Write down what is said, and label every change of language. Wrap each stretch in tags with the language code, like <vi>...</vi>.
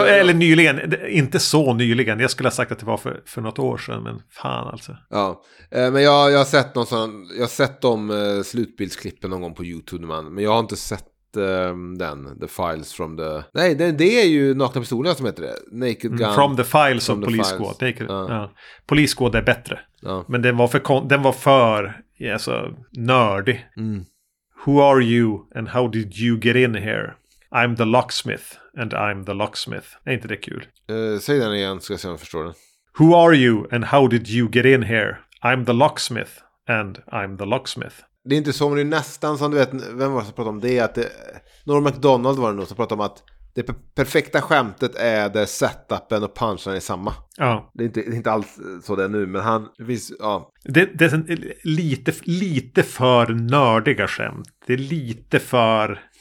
<sv>eller nyligen, inte så nyligen. Jag skulle ha sagt att det var för något år sedan, men fan alltså. Ja, men jag har sett någon sån, jag har sett de slutbildsklippen någon gång på YouTube, men jag har inte sett den, The Files from the... Nej, det är ju Nakna pistolen som heter det.</sv> <en>Naked Gun. From the Files of Police Squad. Police Squad</en> <sv>är bättre. Men den var för alltså, nördig.</sv> <en>Who are you and how did you get in here? I'm the locksmith and I'm the locksmith.</en> <sv>Är inte det kul? Säg den igen, ska jag se om jag förstår den.</sv> <en>Who are you and how did you get in here? I'm the locksmith and I'm the locksmith.</en> <sv>Det är inte så, men det är nästan som du vet, vem var det som pratade om det, att Norm MacDonald var det nog som pratade om att det perfekta skämtet är där setupen och punchen är samma. Ja. Det är inte alls så det är nu, men han visst, ja. Det är lite för nördiga skämt. Det är lite för...</sv>